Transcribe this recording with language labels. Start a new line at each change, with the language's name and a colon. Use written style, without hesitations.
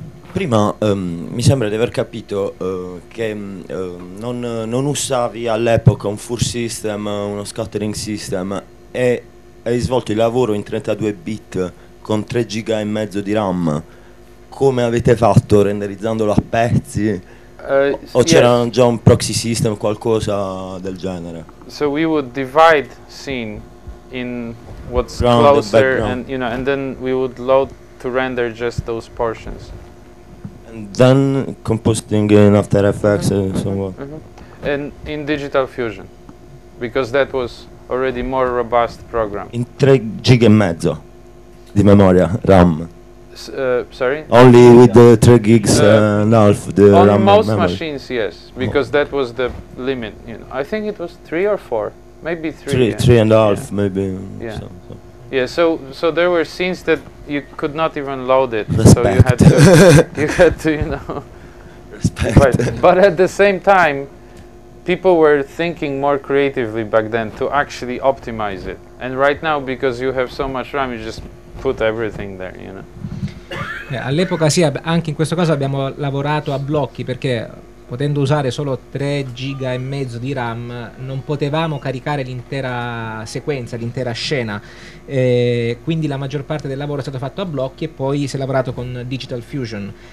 Italian: Prima mi sembra di aver capito che non usavi all'epoca un full system, uno scattering system, e hai svolto il lavoro in 32 bit con 3 giga e mezzo di RAM. Come avete fatto, renderizzandolo a pezzi? O
English: yes.
Italian: C'era già un proxy system, qualcosa del genere?
English: So we would divide scene in what's ground, closer, and, you know, and then we would load to render just those portions. Then composting in After Effects, mm-hmm. And so on. And in Digital Fusion, because that was already more robust program.
Italian: In 3.5 GB di memoria RAM.
English: Sorry? Only with the 3 GB and half the RAM. On most machines, yes, because that was the limit. You know, I think it was 3 or 4, maybe three. Three and a half, maybe. Yeah. So there were scenes that you could not even load it. So you had to, you know. But at the same time, people were thinking more creatively back then to actually optimize it. And right now, because you have so much RAM, you just put everything there, you know.
Italian: All'epoca sì, anche in questo caso abbiamo lavorato a blocchi perché potendo usare solo 3.5 GB di RAM non potevamo caricare l'intera sequenza, l'intera scena. Quindi la maggior parte del lavoro è stato fatto a blocchi e poi si è lavorato con Digital Fusion.